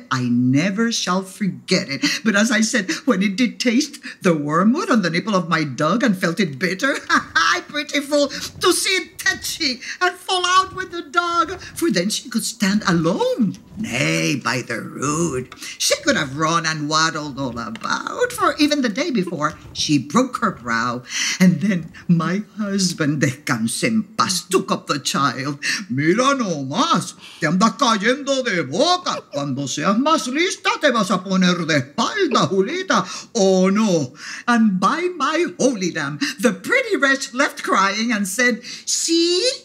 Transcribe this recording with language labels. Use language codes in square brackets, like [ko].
[en] I never shall forget it. But as I said, when it did taste the wormwood on the nipple of my dog and felt it bitter, I pretty fool to see it tetchy and fall out with the dog, for then she could stand alone. Nay, by the rood, she could have run and waddled all about, for even the day before, she broke her brow. And then my husband, [es] descanse en paz, [en] took up the child. [es] Mira nomás, te andas cayendo de boca. Cuando seas más lista, te vas a poner de espalda, Julita. [en] Oh, no. And by my holy lamb, the pretty wretch left crying and said, sí.